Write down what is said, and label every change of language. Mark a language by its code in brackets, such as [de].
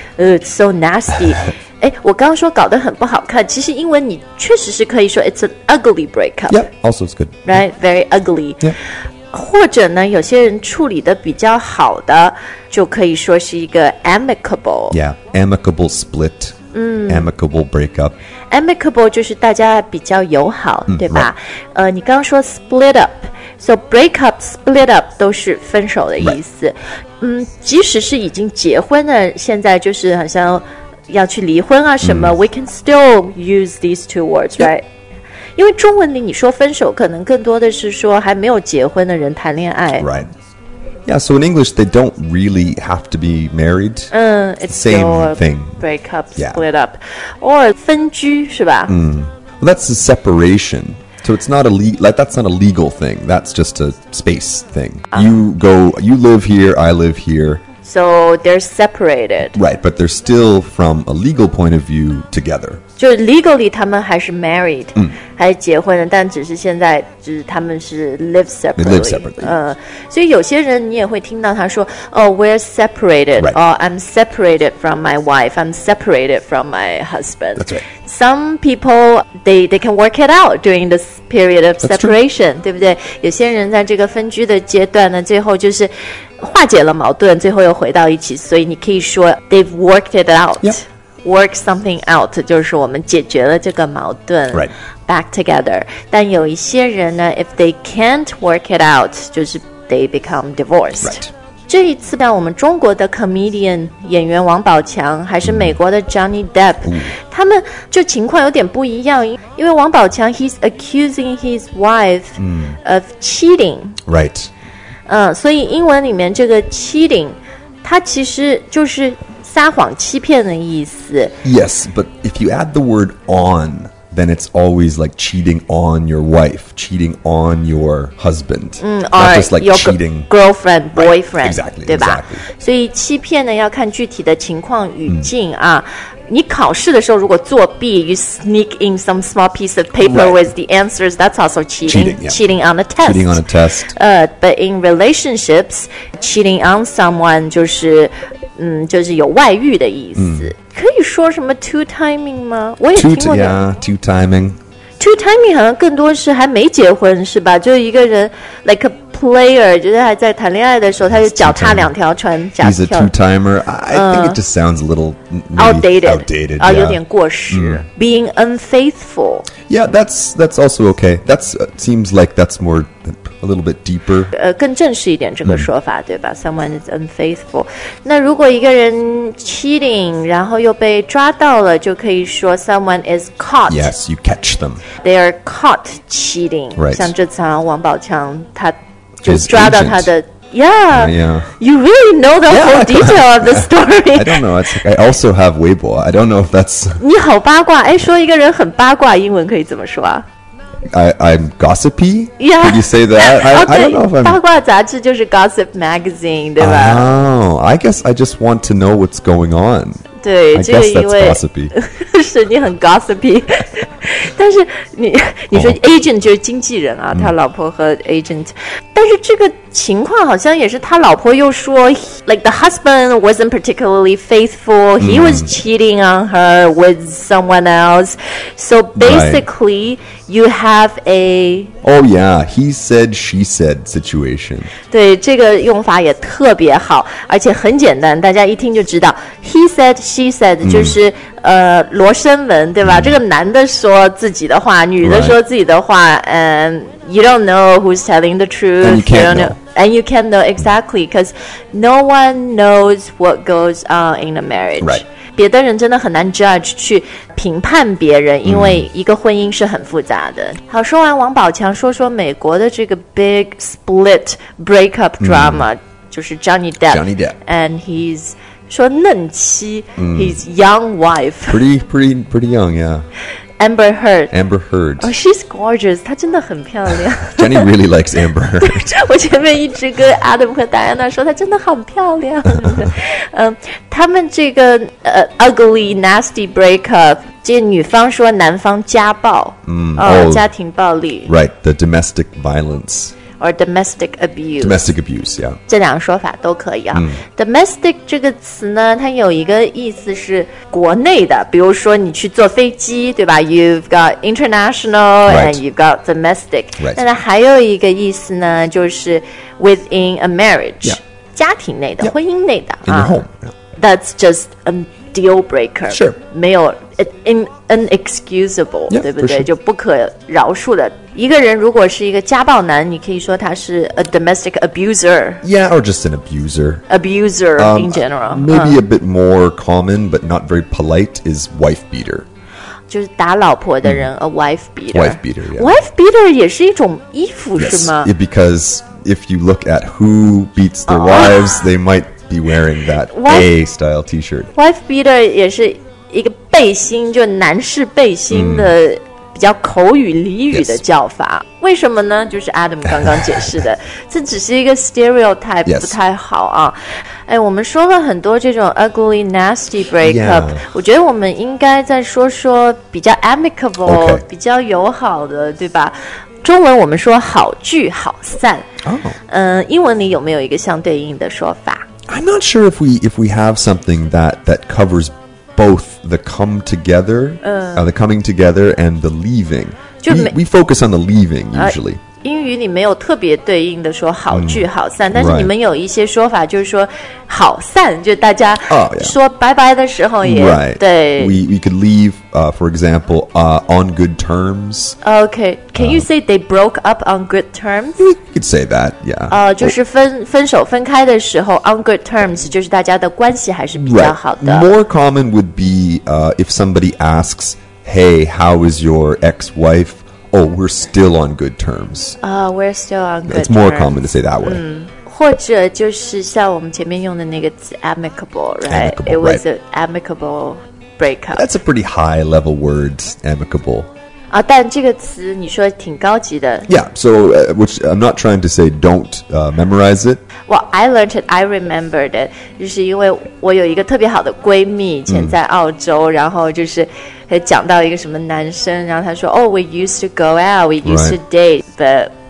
[en] it's so nasty [zh] 我刚刚说搞得很不好看，其实英文你确实是可以说 [en] it's an ugly breakup yeah also it's good right very ugly yeah [zh] 或者呢有些人处理的比较好的就可以说是一个 amicable [en] yeah amicable split、嗯、 amicable breakup [zh] amicable 就是大家比较友好、嗯、对吧、 [en] right. [zh] 你刚刚说 [en] split up so breakup split up [zh] 都是分手的意思、 [en] right. [zh] 嗯，即使是已经结婚的现在就是好像要去离婚啊什么、嗯、 [en] we can still use these two words、 yeah. [zh] right因为中文里你说分手可能更多的是说还没有结婚的人谈恋爱 [en] Right Yeah, so in English they don't really have to be married It's same thing Break up, split、 yeah. up Or [zh] 分居是吧、 mm. [en] well, That's a separation So it's not a that's not a legal thing That's just a space thing、You go, you live here, I live here So they're separated Right, but they're still from a legal point of view together [zh] 就 legally 他们还是 married、 mm. 还是结婚的但只是现在就是他们是 [en] live separately, live separately.、 [zh] 所以有些人你也会听到他说 [en] Oh, we're separated、 right. Or I'm separated from my wife I'm separated from my husband That's right Some people, they can work it out during this period of separation [zh] 对不对有些人在这个分居的阶段呢最后就是化解了矛盾最后又回到一起所以你可以说 [en] They've worked it out、 yep. Work something out [zh] 就是我们解决了这个矛盾 [en] Right Back together 但有一些人呢 If they can't work it out 就是 they become divorced Right [zh] 这一次呢我们中国的 comedian 演员王宝强还是美国的 Johnny Depp、 mm. 他们就情况有点不一样因为王宝强 [en] He's accusing his wife、 mm. of cheating Right [zh] 所以英文里面这个 cheating 它其实就是撒谎欺骗的意思 [en] Yes, but if you add the word on Then it's always like cheating on your wife Cheating on your husband、嗯、 Not just like cheating Girlfriend, boyfriend right, Exactly, [zh] 对吧 [en] exactly [zh] 所以欺骗呢要看具体的情况语境啊、嗯、你考试的时候如果作弊 [en] You sneak in some small piece of paper、 right. with the answers That's also cheating cheating,、yeah. cheating on a test Cheating on a test、 But in relationships Cheating on someone [zh] 就是就是有外遇的意思、 mm. 可以说什么 two timing 吗？我也听过的。Two timing. Two timing 好像更多是还没结婚是吧？就一个人 [en] like a player， [zh] 就是还在谈恋爱的时候，他就脚踏两条船。 [en] He's a two timer. I think it just sounds a little outdated. [zh] 有点过时。 [en] Being unfaithful. Yeah, that's also okay. That's seems like that's more. A little bit deeper. [zh] 更正式一点这个说法、对吧 [en] Someone is unfaithful. [zh] 那如果一个人 cheating, 然后又被抓到了就可以说 [en] someone is caught. Yes, you catch them. They are caught cheating. Right. [zh] 像这次王宝强他就抓到他的 [en] You really know the whole detail of the story. I don't know. I also have Weibo. I don't know if that's... [zh] 你好八卦。说一个人很八卦英文可以怎么说啊 [en] I'm gossipy? Yeah. Did you say that? Okay, I don't know if I'm... [zh] 八卦杂志就是 Gossip Magazine, 对吧 [en] Oh, I guess I just want to know what's going on. [zh] 对 [en] I [zh] 这个因为 [en] guess that's gossipy. [zh] 是你很 gossipy. 但是你说 agent 就是经纪人啊、他老婆和 agent. 但是这个情况好像也是他老婆又说 [en] Like the husband wasn't particularly faithful. He was cheating on her with someone else. So basically...、You have a... Oh, yeah. He said, she said situation. [zh] 对,这个用法也特别好,而且很简单,大家一听就知道。 [en] He said, she said, [zh] 就是罗生门,对吧? 这个男的说自己的话,女的说自己的话, [en] and you don't know who's telling the truth. And you can't you know. And you can't know exactly, because no one knows what goes on in a marriage. Right. [zh] 别的人真的很难 judge 去评判别人因为一个婚姻是很复杂的、好说完王宝强说说美国的这个 [en] big split breakup drama、 [zh] 就是 Johnny Depp and he's 说嫩妻、 [en] his young wife pretty young Amber Heard、 oh, she's gorgeous [zh] 她真的很漂亮 [en] Jenny really likes Amber Heard [zh] 我前面一直跟 Adam 和 Diana 说她真的很漂亮他们这个、 [en] ugly nasty breakup [zh] 这女方说男方家暴、家庭暴力 [en] Right, the domestic violence Or domestic abuse Domestic abuse, yeah [zh] 这两个说法都可以、Domestic 这个词呢它有一个意思是国内的比如说你去坐飞机对吧 [en] You've got international、 right. and you've got domestic、 right. [zh] 但还有一个意思呢就是 [en] within a marriage、 yeah. [zh] 家庭内的 婚姻内的 [en] In your home、 That's just a deal breaker Sure [zh] 没有 inexcusable [en] yeah, [zh] 对不对、 [en] sure. [zh] 就不可饶恕的一个人如果是一个家暴男你可以说他是 [en] a domestic abuser Yeah or just an abuser Abuser、in general Maybe a bit more common but not very polite is wife beater [zh] 就是打老婆的人、a wife beater [en] Wife beater、yeah. [zh] Wife beater 也是一种衣服、 [en] yes. [zh] 是吗 [en] Yes becauseIf you look at who beats their wives, they might be wearing that A-style t-shirt. [zh] Wife beater 也是一个背心，就男士背心的比较口语俚语的叫法。为什么呢？就是 Adam 刚刚解释的，这只是一个 stereotype 不太好啊。哎，我们说了很多这种 [en] ugly, nasty breakup. [zh] 我觉得我们应该再说说比较 amicable, 比较友好的，对吧？中文我们说好聚好散、英文里有没有一个相对应的说法 [en] I'm not sure if we have something that covers both the come together、the coming together and the leaving we focus on the leaving usually、 [zh] 英语里没有特别对应的说好聚好散、但是你们有一些说法就是说好散就大家说拜拜的时候也、对 [en] we could leave、for example、on good terms okay can、you say they broke up on good terms you could say that yeah、 [zh] 就是 分手分开的时候 on good terms 就是大家的关系还是比较好的、 [en] more common would be、if somebody asks hey how is your ex-wifeOh, we're still on good terms. We're still on good terms. It's more common to say that way. [zh] 或者就是像我们前面用的那个词 amicable, right? [en] Amicable, It was right. an amicable breakup. That's a pretty high level word, amicable. [zh] 但这个词你说挺高级的。 [en] Yeah, so which I'm not trying to say don't memorize it. Well, I learned it, I remembered it. [zh] 就是因为我有一个特别好的闺蜜以前在澳洲、然后就是讲到一个什么男生然后他说 [en] Oh, we used to go out, we used to date, but